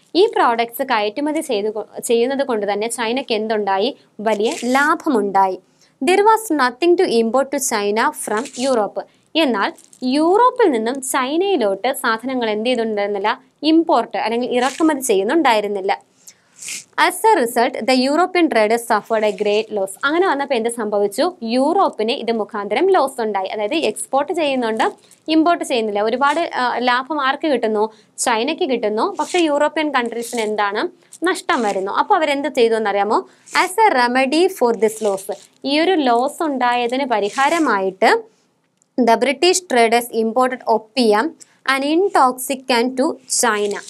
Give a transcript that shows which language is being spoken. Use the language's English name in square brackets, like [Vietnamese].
[Malayalam] ഈ പ്രോഡക്ട്സ് കയറ്റുമതി ചെയ്യുന്നത് കൊണ്ട് തന്നെ ചൈനയ്ക്ക് എന്തുണ്ടായി, വലിയ ലാഭമുണ്ടായി. [English] There was nothing to import to China from Europe. [Malayalam] എന്നാൽ യൂറോപ്പിൽ നിന്നും ചൈനയിലോട്ട് സാധനങ്ങൾ എന്ത് ചെയ്തിട്ടുണ്ടായിരുന്നില്ല, ഇമ്പോർട്ട് അല്ലെങ്കിൽ ഇറക്കുമതി ചെയ്യുന്നുണ്ടായിരുന്നില്ല. [English] As a result, the European traders suffered a great loss. [Malayalam] അങ്ങനെ വന്നപ്പോൾ എന്ത് സംഭവിച്ചു? യൂറോപ്പിന് ഇത് മുഖാന്തരം ലോസ് ഉണ്ടായി. അതായത് എക്സ്പോർട്ട് ചെയ്യുന്നുണ്ട്, ഇമ്പോർട്ട് ചെയ്യുന്നില്ല. ഒരുപാട് ലാഭം ആർക്ക് കിട്ടുന്നു? ചൈനയ്ക്ക് കിട്ടുന്നു. പക്ഷേ യൂറോപ്യൻ കൺട്രീസിന് എന്താണ്, നഷ്ടം വരുന്നു. അപ്പോൾ അവരെന്ത് ചെയ്തു എന്നറിയാമോ? [English] as a remedy for this loss, [Malayalam] ഈ ഒരു loss ഉണ്ടായതിന് പരിഹാരമായിട്ട് [English] The British traders imported opium An intoxicant to China.